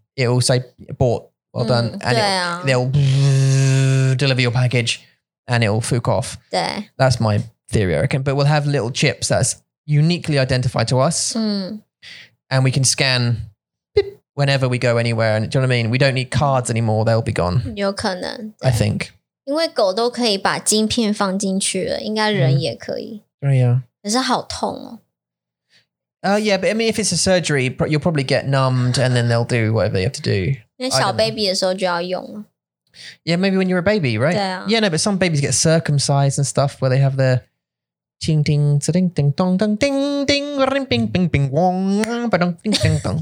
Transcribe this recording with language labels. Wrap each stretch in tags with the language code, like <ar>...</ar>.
<en>It will say bought, well done, and they'll deliver your package, and it will fook off. That's my theory, I reckon. But we'll have little chips that's uniquely identified to us, and we can scan beep, whenever we go anywhere. And do you know what I mean? We don't need cards anymore; they'll be gone.</en> <zh>有可能，</zh> <en>I think.</en> <zh>因为狗都可以把晶片放进去了，应该人也可以。对呀。可是好痛哦。</zh> <en>Yeah, but I mean, if it's a surgery, you'll probably get numbed and then they'll do whatever they have to do.</en> <zh>那小 baby 的时候就要用了。</zh> <en>Yeah, maybe when you're a baby, right?</en> <zh>对啊。</zh> <en>Yeah, no, but some babies get circumcised and stuff where they have their... Ting, ting, ting, ting, tong, tong, ting, ting, ring, ping, ping, ping, wong, ba, dong, ting, ting, tong.</en>